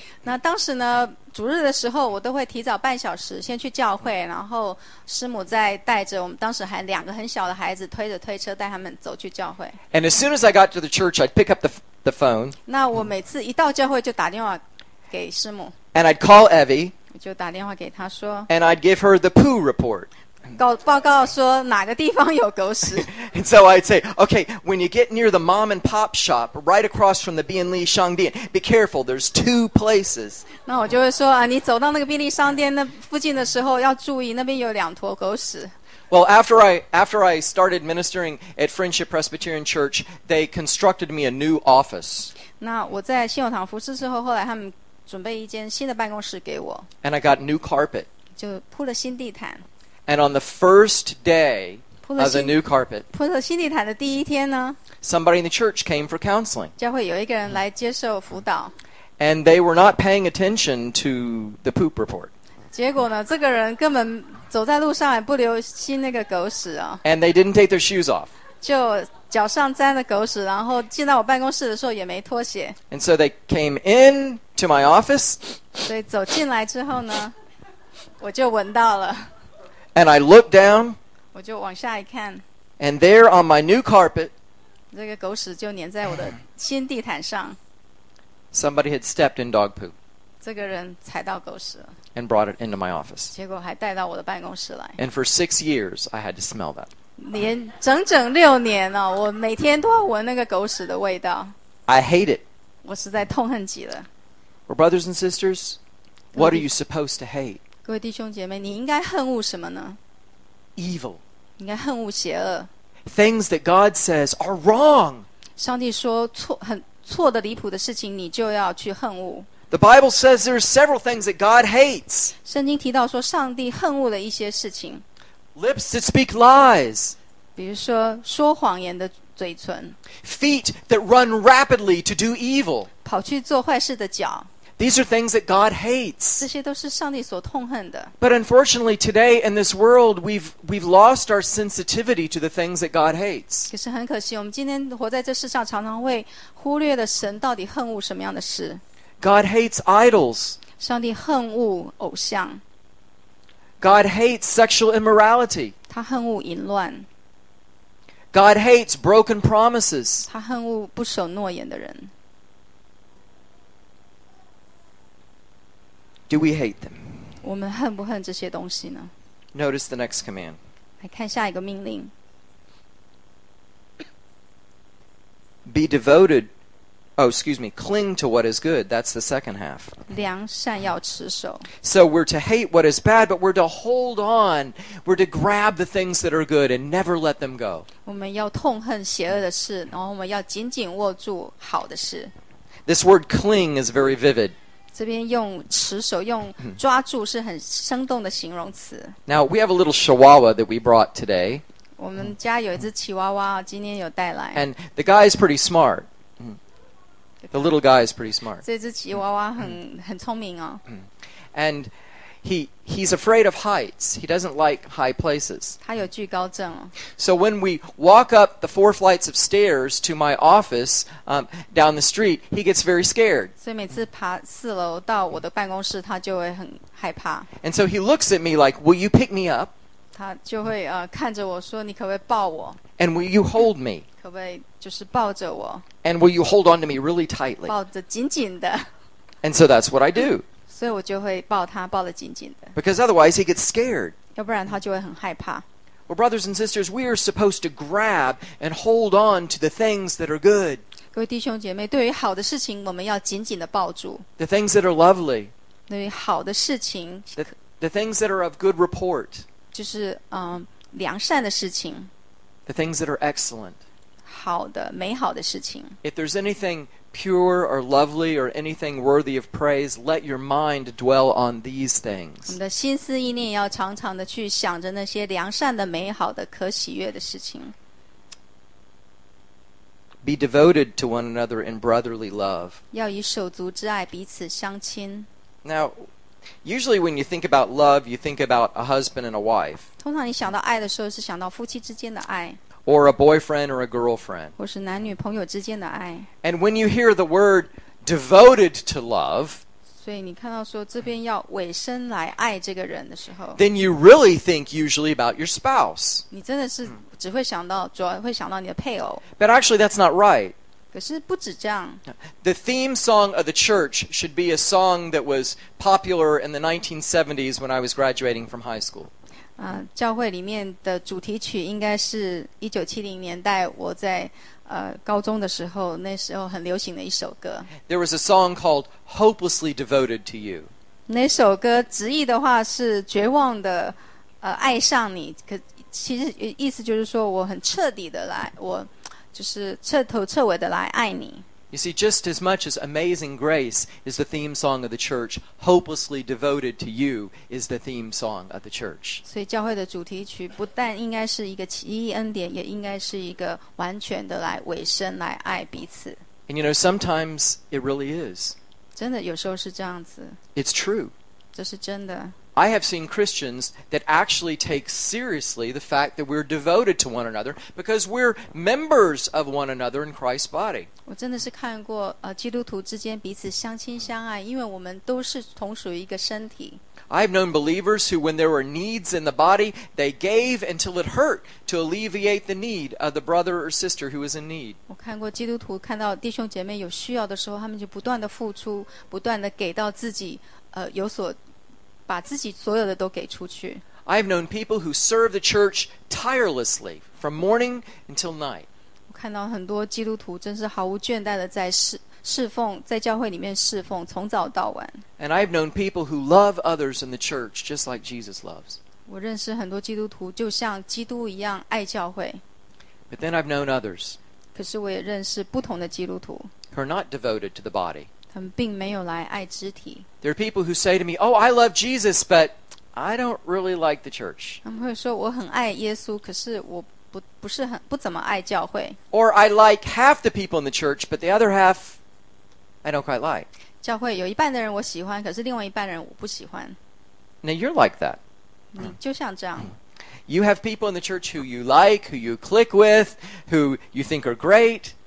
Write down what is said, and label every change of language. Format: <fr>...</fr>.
<zh>那当时呢主日的时候我都会提早半小时先去教会然后师母再带着我们当时还两个很小的孩子推着推车带他们走去教会</zh> <en>And as soon as I got to the church I'd pick up the phone</en> <zh>那我每次一到教会就打电话给师母</zh> <en>And I'd call Evie</en> <zh>我就打电话给她说</zh> <en>And I'd give her the poo report</en> <zh>报告说哪个地方有狗屎</zh> <en>And so I'd say Okay, when you get near the mom and pop shop right across from the</en> <zh>Bian Li Shang Dian</zh> <en>be careful, there's 2 places</en> <zh>那我就会说你走到那个便利商店那附近的时候要注意那边有两坨狗屎</zh> <en>Well, after I started ministering at Friendship Presbyterian Church they constructed me a new office</en> <zh>那我在信友堂服侍之后后来他们准备一间新的办公室给我</zh> <en>And I got new carpet</en> <zh>就铺了新地毯</zh> <en>And on the first day of the new carpet</en> <zh>铺了新地毯的第一天呢</zh> <en>Somebody in the church came for counseling</en> <zh>教会有一个人来接受辅导</zh> <en>And they were not paying attention to the poop report</en> <zh>结果呢这个人根本走在路上也不留心那个狗屎啊</zh> <en>And they didn't take their shoes off</en> <zh>就脚上沾了狗屎然后进到我办公室的时候也没脱鞋</zh> <en>And so they came in to my office</en> <zh>所以走进来之后呢我就闻到了</zh> <en>And I looked down,</en> <zh>我就往下一看,</zh> <en>and there on my new carpet,</en> <zh>这个狗屎就粘在我的新地毯上,</zh> <en>somebody had stepped in dog poop,</en> <zh>这个人踩到狗屎了,</zh> <en>and brought it into my office.</en> <zh>结果还带到我的办公室来,</zh> <en>and for 6 years, I had to smell that.</en> <zh>连整整六年啊, 我每天都要闻那个狗屎的味道,</zh> <en>I hate it.</en> <zh>我实在痛恨极了。</zh> <en>Well, brothers and sisters, what are you supposed to hate?</en> <zh>各位弟兄姐妹，你应该恨恶什么呢</zh> <en>？Evil，</en> <zh>应该恨恶邪恶。</zh> <en>Things that God says are wrong.</en> <zh>上帝说错很错的离谱的事情，你就要去恨恶。</zh> <en>The Bible says there are several things that God hates.</en> <zh>圣经提到说上帝恨恶了一些事情。</zh> <en>Lips that speak lies.</en> <zh>比如说说谎言的嘴唇。</zh> <en>Feet that run rapidly to do evil.</en> <zh>跑去做坏事的脚。</zh> <en>These are things that God hates.</en> <zh>这些都是上帝所痛恨的。</zh> <en>But unfortunately, today in this world, we've lost our sensitivity to the things that God hates.</en> <zh>可是很可惜，我们今天活在这世上，常常会忽略了神到底恨恶什么样的事。</zh> <en>God hates idols.</en> <zh>上帝恨恶偶像。</zh> <en>God hates sexual immorality.</en> <zh>他恨恶淫乱。</zh> <en>God hates broken promises.</en> <zh>他恨恶不守诺言的人。</zh> <en>Do we hate them?</en> <zh>我们恨不恨这些东西呢?</zh> <en>Notice the next command.</en> <zh>来看下一个命令。</zh> <en>Be devoted. Oh, excuse me. Cling to what is good. That's the second half.</en> <zh>良善要持守。</zh> <en>So we're to hate what is bad, but we're to hold on. We're to grab the things that are good and never let them go.</en> <zh>我们要痛恨邪恶的事，然后我们要紧紧握住好的事。</zh> <en>This word cling is very vivid.</en> <zh>这边用持守用抓住是很生动的形容词。</zh> <en>Now we have a little chihuahua that we brought today.</en> <zh>我们家有一只奇娃娃今天有带来。</zh> <en>And the guy is pretty smart. The little guy is pretty smart.</en> <zh>这只奇娃娃很聪明哦。</zh> <en>And he's afraid of heights. He doesn't like high places.</en> <zh>他有惧高症哦。</zh> <en>So when we walk up the four flights of stairs to my office, down the street, he gets very scared.</en> <zh>所以每次爬四楼到我的办公室，他就会很害怕。</zh> <en>And so he looks at me like, will you pick me up?</en> <zh>他就会看着我说，你可不可以抱我？</zh> <en>And will you hold me?</en> <zh>可不可以就是抱着我？</zh> <en>And will you hold on to me really tightly?</en> <zh>抱着紧紧的。</zh> <en>And so that's what I do.</en> <zh>所以我就会抱他，抱得紧紧的。</zh> <en>Because otherwise he gets scared.</en> <zh>要不然他就会很害怕。</zh> <en>Well, brothers and sisters, we are supposed to grab and hold on to the things that are good.</en> <zh>各位弟兄姐妹，对于好的事情，我们要紧紧的抱住。</zh> <en>The things that are lovely.</en> <zh>对于好的事情。</zh> <en>The things that are of good report.</en> <zh>就是良善的事情。</zh> <en>The things that are excellent.</en> <zh>好的，美好的事情。</zh> <en>If there's anything. Pure or lovely or anything worthy of praise, let your mind dwell on these things.</en> <zh>你的心思意念要常常的去想着那些良善的、美好的、可喜悦的事情。</zh> <en>Be devoted to one another in brotherly love.</en> <zh>要以手足之爱彼此相亲。</zh> <en>Now, usually when you think about love, you think about a husband and a wife.</en> <zh>通常你想到爱的时候，是想到夫妻之间的爱。</zh> <en>Or a boyfriend or a girlfriend.</en> <zh>或是男女朋友之间的爱。</zh> <en>And when you hear the word devoted to love,</en> <zh>所以你看到说这边要委身来爱这个人的时候，</zh> <en>then you really think usually about your spouse.</en> <zh>你真的是只会想到，主要会想到你的配偶。</zh> <en>But actually that's not right.</en> <zh>可是不止这样。</zh> <en>The theme song of the church should be a song that was popular in the 1970s when I was graduating from high school.</en> <zh>教会里面的主题曲应该是1970年代我在高中的时候那时候很流行的一首歌。</zh> <en>There was a song called Hopelessly Devoted to You.</en> <zh>那首歌直译的话是绝望的爱上你，可其实意思就是说我很彻底的来，我就是彻头彻尾的来爱你。</zh> <en>You see, just as much as Amazing Grace is the theme song of the church, Hopelessly Devoted to You is the theme song of the church.</en> <zh>所以教会的主题曲不但应该是一个奇异恩典，也应该是一个完全的来委身来爱彼此。</zh> <en>And you know, sometimes it really is.</en> <zh>真的有时候是这样子。</zh> <en>It's true.</en> <zh>这是真的。</zh> <en>I have seen Christians that actually take seriously the fact that we're devoted to one another because we're members of one another in Christ's body.</en> <zh>我真的是看过基督徒之间彼此相亲相爱，因为我们都是同属于一个身体。</zh> <en>I've known believers who, when there were needs in the body, they gave until it hurt to alleviate the need of the brother or sister who was in need.</en> <zh>我看过基督徒看到弟兄姐妹有需要的时候，他们就不断的付出，不断的给到自己，有所。把自己所有的都给出去。</zh> <en>I've known people who serve the church tirelessly from morning until night.</en> <zh>我看到很多基督徒真是毫无倦怠的在侍奉，在教会里面侍奉，从早到晚。</zh> <en>And I've known people who love others in the church just like Jesus loves.</en> <zh>我认识很多基督徒就像基督一样爱教会。</zh> <en>But then I've known others.</en> <zh>可是我也认识不同的基督徒。</zh> <en>Who are not devoted to the body.</en> <zh>他们并没有来爱肢体。</zh> <en>There are people who say to me, oh, I love Jesus, but I don't really like the church.</en> <zh>他们会说我很爱耶稣，可是我不是很不怎么爱教会。</zh> <en>Or I like half the people in the church, but the other half I don't quite like.</en> <zh>教会有一半的人我喜欢，可是另外一半的人我不喜欢。</zh> <en>Now you're like that.</en> <zh>你就像这样。</zh> <en>You have people in the church who you like, who you click with, who you think are great.</en>